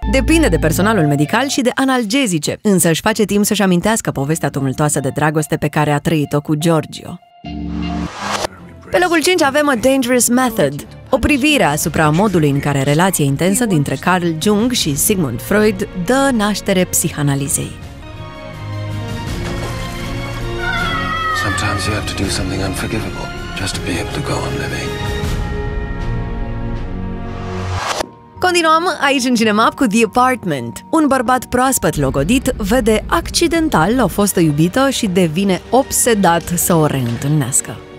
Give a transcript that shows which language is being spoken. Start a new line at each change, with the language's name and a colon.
Romanian: Depinde de personalul medical și de analgezice, însă își face timp să-și amintească povestea tumultoasă de dragoste pe care a trăit-o cu Giorgio. Pe locul 5 avem A Dangerous Method. O privire asupra modului în care relația intensă dintre Carl Jung și Sigmund Freud dă naștere psihanalizei.
English: Sometimes you have to do something unforgivable just to be able to go on living.
Romanian: Continuăm aici în Cinemap cu The Apartment. Un bărbat proaspăt logodit vede accidental o fostă iubită și devine obsedat să o reîntâlnească.